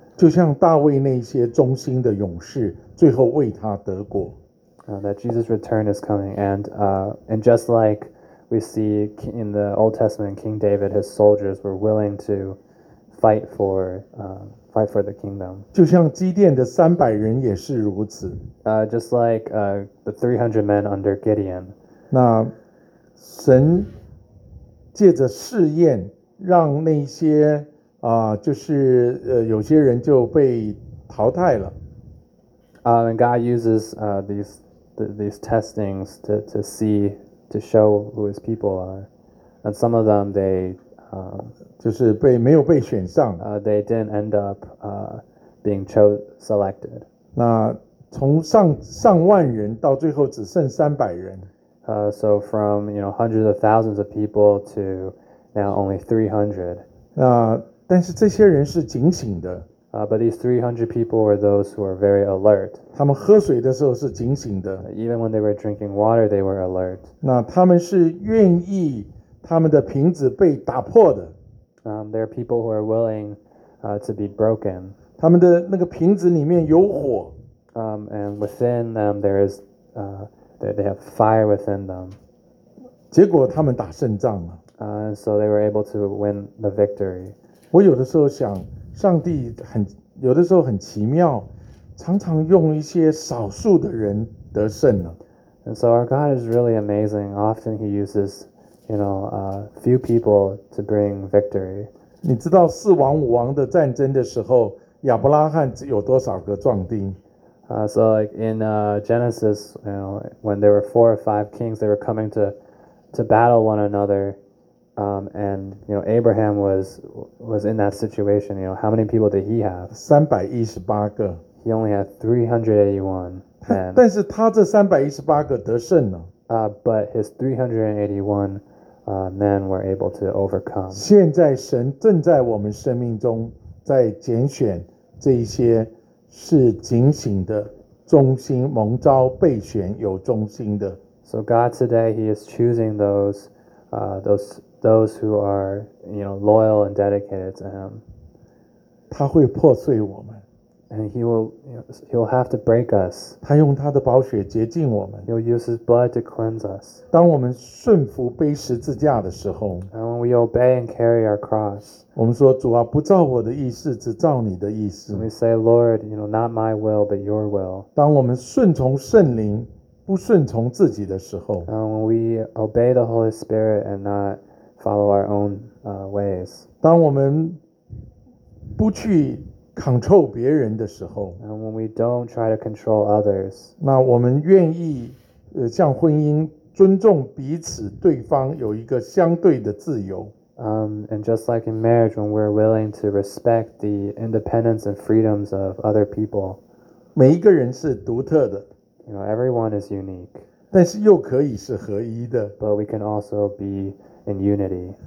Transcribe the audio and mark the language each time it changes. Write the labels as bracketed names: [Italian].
[Chinese] 就像大卫那些忠心的勇士，最后为他得果。 [English] That Jesus' return is coming, and just like we see in the Old Testament, King David, his soldiers were willing to fight for the kingdom. [Chinese] 就像基甸的300人也是如此。 [English] Just like the 300 men under Gideon. [Chinese] 那神借着试验，让那些就是有些人就被淘汰了。 [English] And God uses these testings to see to show who his people are, and some of them they [Chinese] 就是被没有被选上。 [English] They didn't end up being selected. [Chinese] 那从上万人到最后只剩300人。 [English] So from you know hundreds of thousands of people to now only 300. [Chinese] 那但是这些人是警醒的。 [English] But these 300 people were those who are very alert. [Chinese] 他们喝水的时候是警醒的。 [English] Even when they were drinking water, they were alert. [Chinese] 那他们是愿意他们的瓶子被打破的。 [English] There are people who are willing to be broken. [Chinese] 他们的那个瓶子里面有火。 [English] And within them, there is, they have fire within them. [Chinese] 结果他们打胜仗了。 [English] So they were able to win the victory. [Chinese] 我有的时候想上帝很有的时候很奇妙，常常用一些少数的人得胜了。 [English] And so our God is really amazing. Often He uses, you know, few people to bring victory. [Chinese] 你知道四王五王的战争的时候，亚伯拉罕有多少个壮丁？ [English] So like in Genesis, you know, when there were four or five kings, they were coming to battle one another. And you know Abraham was in that situation. You know how many people did he have? [Chinese] 318个。 [English] He only had 381. [Chinese] 但是他这318个得胜了。 [English] But his 381 men were able to overcome. [Chinese] 现在神正在我们生命中在拣选这一些是警醒的、忠心蒙召被选、有忠心的。 [English] So God today He is choosing those who are, you know, loyal and dedicated to him. [Chinese] 他会破碎我们。 [English] And he will, you know, he'll have to break us. [Chinese] 他用他的宝血洁净我们。 [English] He'll use his blood to cleanse us. [Chinese] 当我们顺服背十字架的时候。 [English] And when we obey and carry our cross. [Chinese] 我们说主啊不照我的意思只照你的意思。 [English] We say, Lord, you know, not my will, but your will. [Chinese] 当我们顺从圣灵不顺从自己的时候。 [English] When we obey the Holy Spirit and not follow our own ways. [Chinese] 当我们不去 control 别人的时候， [English] and when we don't try to control others, [Chinese] 那我们愿意像婚姻尊重彼此对方有一个相对的自由。 [English] And just like in marriage, when we're willing to respect the independence and freedoms of other people, [Chinese] 每一个人是独特的。 [English] You know, everyone is unique. [Chinese] 但是又可以是合一的。 [English] But we can also be in unity.